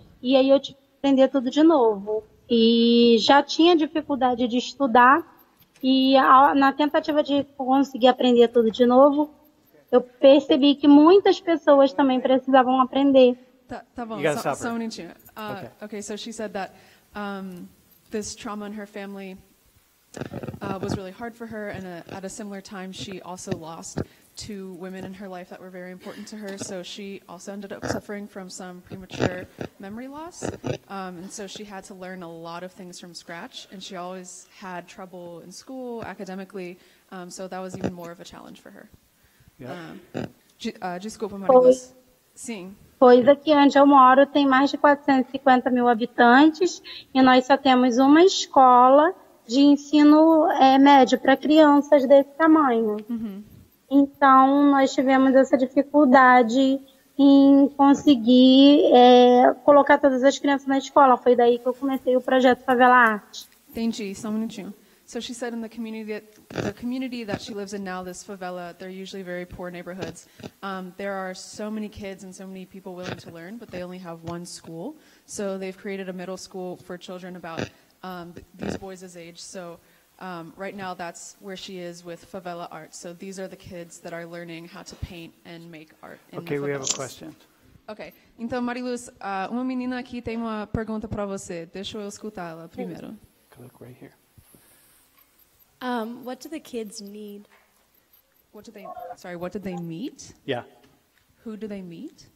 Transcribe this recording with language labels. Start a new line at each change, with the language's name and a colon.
Portuguese: E aí eu tive que aprender tudo de novo. E já tinha dificuldade de estudar. E na tentativa de conseguir aprender tudo de novo, eu percebi que muitas pessoas também precisavam aprender. Tá bom, só um minutinho.
English: Okay, so she said that... this trauma in her family was really hard for her, and at a similar time, she also lost two women in her life that were very important to her, so she also ended up suffering from some premature memory loss, and so she had to learn a lot of things from scratch, and she always had trouble in school, academically, so that was even more of a challenge for her.
Portuguese: Desculpa, Mariluz. Sim. Pois aqui onde eu moro tem mais de 450 mil habitantes e nós só temos uma escola de ensino médio para crianças desse tamanho. Uhum. Então, nós tivemos essa dificuldade em conseguir colocar todas as crianças na escola. Foi daí que eu comecei o projeto Favela Arte. Entendi, só um minutinho.
English: So she said in the community that she lives in now, this favela, they're usually very poor neighborhoods. There are so many kids and so many people willing to learn, but they only have one school. So they've created a middle school for children about these boys' age. So right now that's where she is with favela art. So these are the kids that are learning how to paint and make art. Okay, we have a question.
Portuguese: Okay, então Mariluz, uma menina aqui tem uma pergunta para você. Deixa eu escutá-la primeiro.
English: Click right here. What do the kids need? What do they meet? Yeah. Who do they meet?